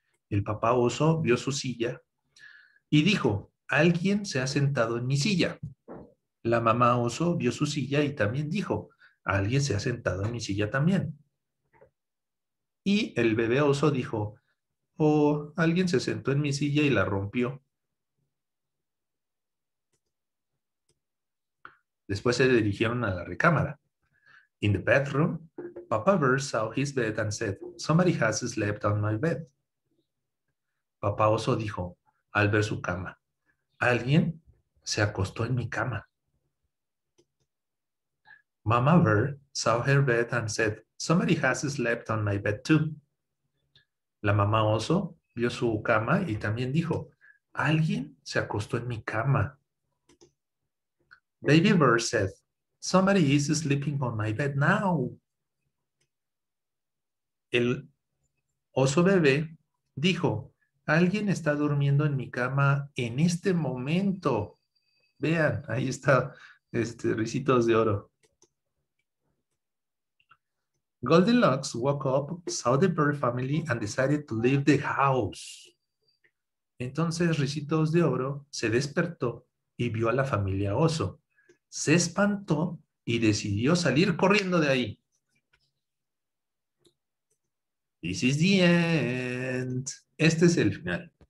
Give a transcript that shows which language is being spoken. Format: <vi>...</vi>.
<es>El papá oso vio su silla y dijo, "Alguien se ha sentado en mi silla." La mamá oso vio su silla y también dijo, "Alguien se ha sentado en mi silla también." Y el bebé oso dijo, oh, alguien se sentó en mi silla y la rompió. Después se dirigieron a la recámara.</es> <en>In the bedroom, Papa Bear saw his bed and said, Somebody has slept on my bed.</en> <es>Papá oso dijo, al ver su cama, alguien se acostó en mi cama.</es> <en>Mama Bear saw her bed and said, Somebody has slept on my bed too.</en> <es>La mamá oso vio su cama y también dijo, alguien se acostó en mi cama.</es> <en>Baby Bear said, Somebody is sleeping on my bed now.</en> <es>El oso bebé dijo, alguien está durmiendo en mi cama en este momento. Vean, ahí está, Ricitos de Oro.</es> <en>Goldilocks woke up, saw the bear family and decided to leave the house.</en> <es>Entonces Ricitos de Oro se despertó y vio a la familia oso. Se espantó y decidió salir corriendo de ahí.</es> <en>This is the end.</en> <es>Este es el final.</es>